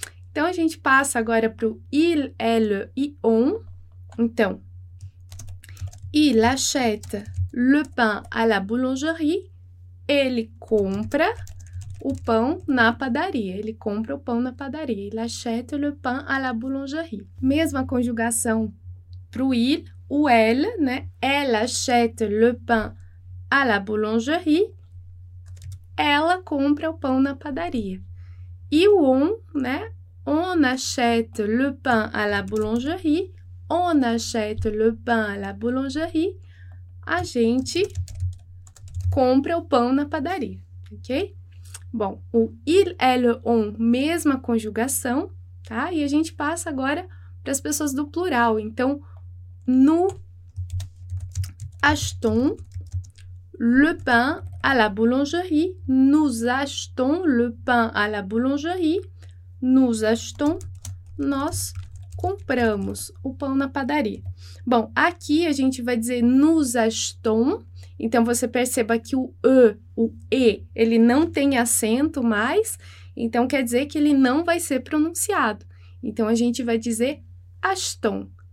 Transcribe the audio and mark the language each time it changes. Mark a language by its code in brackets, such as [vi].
[pt] Então a gente passa agora para o il, elle e on. [fr] Então, il achète le pain à la boulangerie. [pt] Ele compra o pão na padaria. Ele compra o pão na padaria. [fr] Il achète le pain à la boulangerie. [pt] Mesma conjugação para o il, o elle, né? [fr] Elle achète le pain à la boulangerie. [pt] Ela compra o pão na padaria. E o on, né? [fr] On achète le pain à la boulangerie. On achète le pain à la boulangerie. [pt] A gente compra o pão na padaria, ok? Bom, o il, elle, on, mesma conjugação, tá? E a gente passa agora para as pessoas do plural. [fr] Então, nous achetons le pain à la boulangerie. Nous achetons le pain à la boulangerie. Nous achetons. [pt] Nós compramos o pão na padaria. Bom, aqui a gente vai dizer nous achetons. Então, você perceba que o e, ele não tem acento mais. Então, quer dizer que ele não vai ser pronunciado. Então, a gente vai dizer achetons.